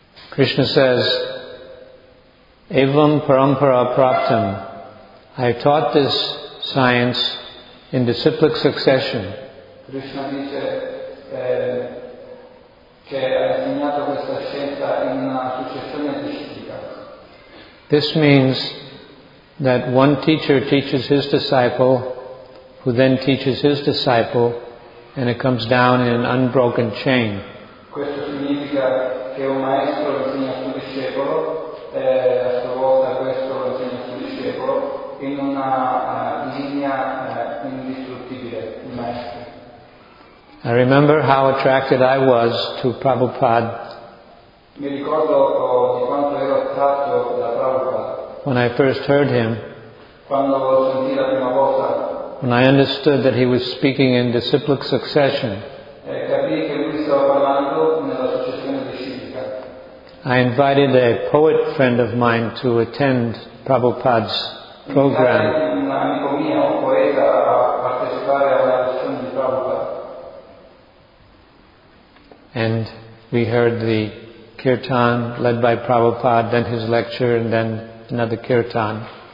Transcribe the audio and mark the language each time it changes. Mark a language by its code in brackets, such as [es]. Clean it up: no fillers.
[en] Krishna says, [sa] evam parampara praptam. [en] I taught this science in the cyclic succession. [it] Krishna dice che ha insegnato questa scienza in una successione disciplica. [en] This means that one teacher teaches his disciple, who then teaches his disciple, and it comes down in an unbroken chain. [it] Questo significa che un maestro insegna a suo discepolo, a sua volta questo insegna a suo discepolo, in una linea indistruttibile, il maestro. [en] I remember how attracted I was to Prabhupada. [it] Mi ricordo di quanto ero attratto da Prabhupada. [en] When I first heard him, [it] quando lo sentì la prima volta, [en] when I understood that he was speaking in disciplic succession, [it] capì che lui stava parlando nella successione disciplica. [en] I invited a poet friend of mine to attend Prabhupada's program. [it] Un amico mio, un poeta, a partecipare alla lezione di Prabhupada. [en] And we heard the kirtan led by Prabhupada, then his lecture, and then another kirtan.